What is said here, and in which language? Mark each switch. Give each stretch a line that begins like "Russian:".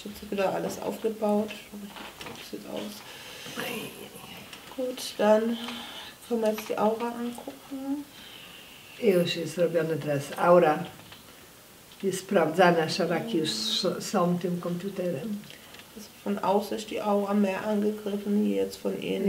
German: Wieder alles aufgebaut. Sieht aus. Gut, dann können wir jetzt die Aura angucken.
Polish: Już jest robione teraz. Aura jest sprawdzana. Szaraki już są tym komputerem.
German: Von außen ist die Aura mehr angegriffen, wie jetzt von innen.